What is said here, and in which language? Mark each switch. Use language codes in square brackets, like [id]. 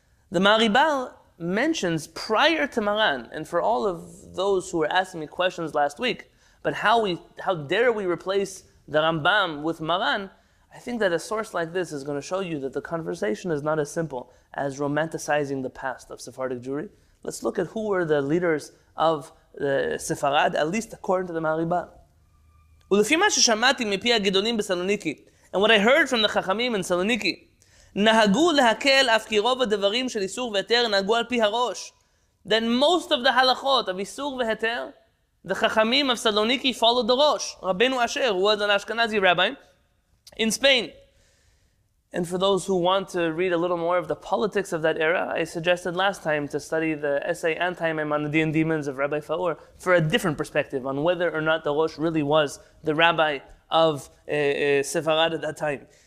[en] The Maribal mentions prior to Maran, and for all of those who were asking me questions last week, but how dare we replace the Rambam with Maran, I think that a source like this is going to show you that the conversation is not as simple as romanticizing the past of Sephardic Jewry. Let's look at who were the leaders of the Sepharad, at least according to the Maribal. [he] ולפי מה ששמעתי מפי הגדולים בסלוניקי, [en] and what I heard from the חכמים in Saloniki, [he] נהגו להקל אף כי רוב הדברים של איסור והתר נהגו על פי הראש. [en] Then most of the halachot of איסור והתר, the חכמים of Saloniki followed the rosh. רבנו אשר, who was an Ashkenazi rabbi, in Spain. And for those who want to read a little more of the politics of that era, I suggested last time to study the essay Anti-Maimonidean Demons of Rabbi Faur for a different perspective on whether or not the Rosh really was the rabbi of Sepharad at that time.